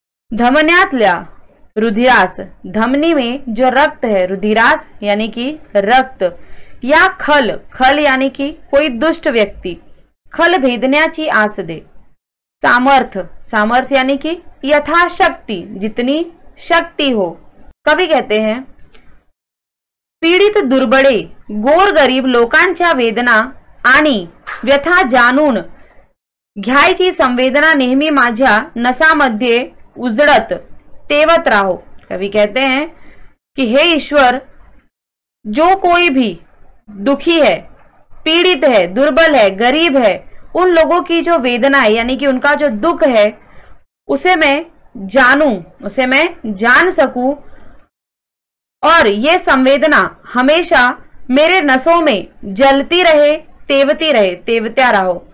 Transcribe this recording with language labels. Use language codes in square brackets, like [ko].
[mr] धमन्यातल्या रुधिरास, [hi] धमनी में जो रक्त है, रुधिरास यानी कि रक्त, [mr] या खल, [hi] खल यानी कि कोई दुष्ट व्यक्ति, [mr] खल भेदन्याची आस दे। [hi] सामर्थ, सामर्थ यानी कि यथाशक्ति, जितनी शक्ति हो। कवि कहते हैं, [mr] पीड़ित दुर्बड़े गोर गरीब लोकांच्या वेदना आणि व्यथा जानून घ्यायची संवेदना नेहमी माझ्या नसामध्ये उजडत, तेवत राहो। [hi] कवि कहते हैं कि हे ईश्वर, जो कोई भी दुखी है, पीड़ित है, दुर्बल है, गरीब है, उन लोगों की जो वेदना है यानी कि उनका जो दुख है, उसे मैं जानूं, उसे मैं जान सकूं और ये संवेदना हमेशा मेरे नसों में जलती रहे, तेवती रहे, तेवत्या रहो।